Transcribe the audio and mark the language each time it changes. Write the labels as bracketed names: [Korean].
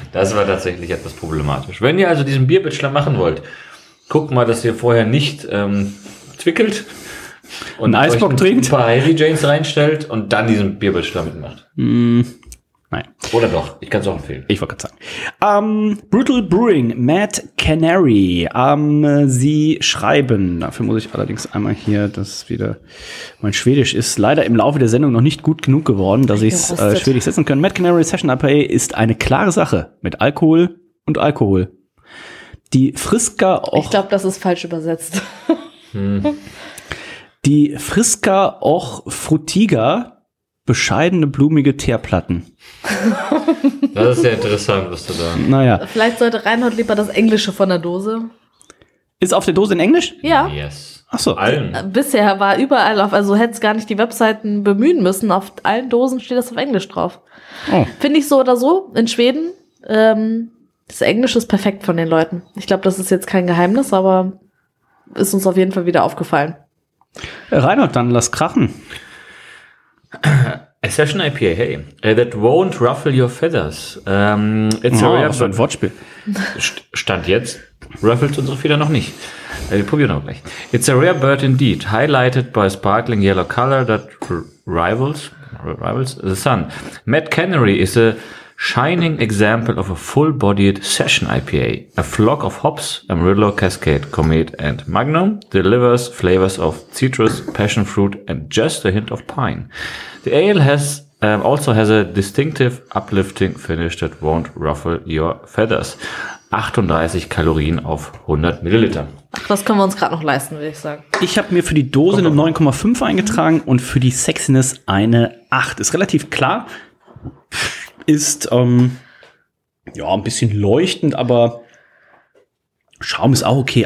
[German] Das war tatsächlich etwas problematisch. Wenn ihr also diesen Bierbachelor machen wollt, guckt mal, dass ihr vorher nicht zwickelt und einen Eisbock trinkt, ein paar Heavy Janes reinstellt und dann diesen Bierbachelor mitmacht. Nein. Oder doch, ich kann es auch empfehlen. Ich wollte gerade sagen. Brutal Brewing, Mad Canary. Sie schreiben, dafür muss ich allerdings einmal hier, das wieder, mein Schwedisch ist leider im Laufe der Sendung noch nicht gut genug geworden, dass ich es schwedisch setzen kann. Mad Canary Session IPA ist eine klare Sache mit Alkohol und Alkohol. Die Friska Ich glaube, das ist falsch übersetzt. Die [Swedish] Friska Och Frutiga, [German] bescheidene blumige Teerplatten. Das ist ja interessant, was du da. Naja. Vielleicht sollte Reinhold lieber das Englische von der Dose. Ist auf der Dose in Englisch? Ja. [English] Yes. [German] Ach so. Allen. Bisher war überall auf, also hätte es gar nicht die Webseiten bemühen müssen. Auf allen Dosen steht das auf Englisch drauf. Oh. Finde ich so oder so in Schweden. Das Englische ist perfekt von den Leuten. Ich glaube, das ist jetzt kein Geheimnis, aber ist uns auf jeden Fall wieder aufgefallen. Reinhold, dann lass krachen. [English] A Session IPA, hey. That won't ruffle your feathers. It's oh, a rare [German] ein Wortspiel. Stand jetzt. Ruffles unsere Feder noch nicht. Wir probieren auch gleich. [English] It's a rare bird indeed, highlighted by sparkling yellow color that rivals the sun. Matt Canary is a shining example of a full-bodied Session IPA. A flock of hops, Amarillo, Cascade, Comet and Magnum delivers flavors of citrus, passion fruit and just a hint of pine. The ale has also has a distinctive uplifting finish that won't ruffle your feathers. [German] 38 Kalorien auf 100 Milliliter. Ach, das können wir uns gerade noch leisten, würde ich sagen. Ich habe mir für die Dose eine 9,5 eingetragen und für die Sexiness eine 8. Ist relativ klar. Ist ja ein bisschen leuchtend, aber Schaum ist auch okay.